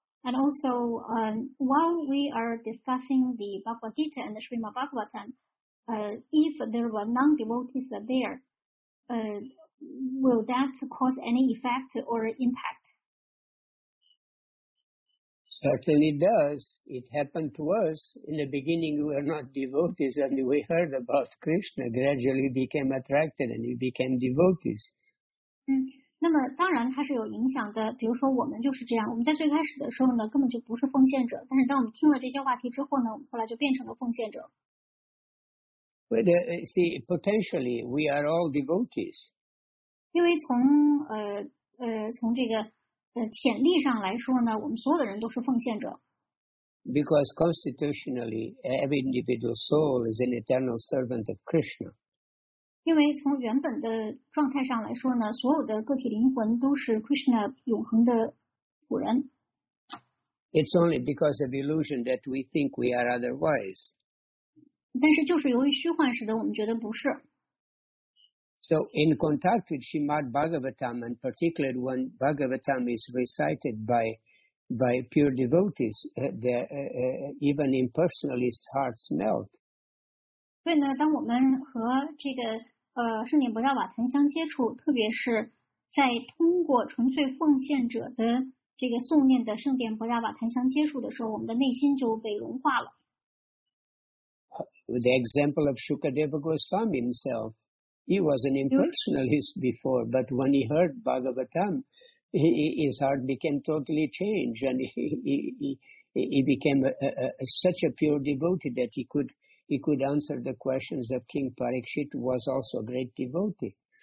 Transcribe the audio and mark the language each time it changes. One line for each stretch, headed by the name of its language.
English: And also, while we are discussing the Bhagavad Gita and the Srimad Bhagavatam, if there were non-devotees there, will that cause any effect or impact? Certainly does. It happened to us. In the beginning, we were not devotees, and we heard about Krishna. Gradually, we became attracted, and we became devotees.
Chinese: 那么当然它是有影响的，比如说我们就是这样，我们在最开始的时候呢，根本就不是奉献者，但是当我们听了这些话题之后呢，我们后来就变成了奉献者。
English: But, see, potentially, we are all devotees.
Chinese: 因为从这个潜力上来说呢，我们所有的人都是奉献者。
English: Because constitutionally, every individual soul is an eternal servant of Krishna.
Chinese: 因为从原本的状态上来说呢，所有的个体灵魂都是 Krishna 永恒的仆人。
English: It's only because of illusion that we think we are otherwise.
Chinese: 但是就是由于虚幻使得我们觉得不是。
English: So in contact with Srimad Bhagavatam, and particularly when Bhagavatam is recited by pure devotees, even impersonally, hearts melt.
Chinese: 所以呢，当我们和这个圣典博达瓦坛相接触，特别是在通过纯粹奉献者的这个诵念的圣典博达瓦坛相接触的时候，我们的内心就被融化了。
English: With the example of Shukadeva Goswami himself, he was an impersonalist before, but when he heard Bhagavatam, his heart became totally changed, and he became such a pure devotee that he could answer the questions of King Parikshit, was also a great devotee.